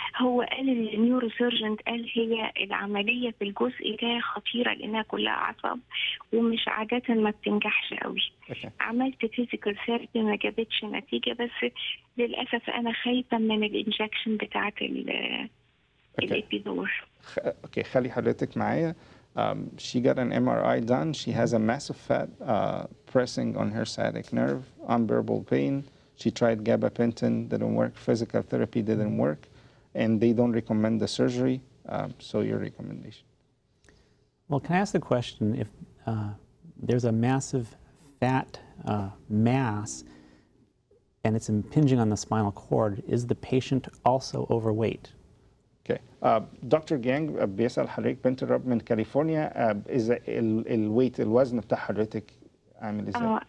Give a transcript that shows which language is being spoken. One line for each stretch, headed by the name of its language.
Arabic: هو قال النيوروسيرجن قال هي العملية في الجزء ده خطيرة لأنها كلها عصب ومش عادة ما بتنجحش قوي.
English: okay.
Arabic: عملت فيزيكال ثيرابي ما جابتش نتيجة بس للأسف أنا خايفة من الإنجكشن بتاعة الإبيدور. اوكي خلي حضرتك معايا.
English: She got an MRI done. She has a massive fat pressing on her sciatic nerve, unbearable pain. She tried gabapentin, didn't work. Physical therapy didn't work. And they don't recommend the surgery. So your recommendation? Well, can I ask the question, if there's a massive fat mass and it's impinging on the spinal cord, is the patient also overweight?
Arabic: دكتور جيانج بيسأل حضرتك بنت الرب من كاليفورنيا إذا الويت الوزن بتاع حضرتك عامل إزاي؟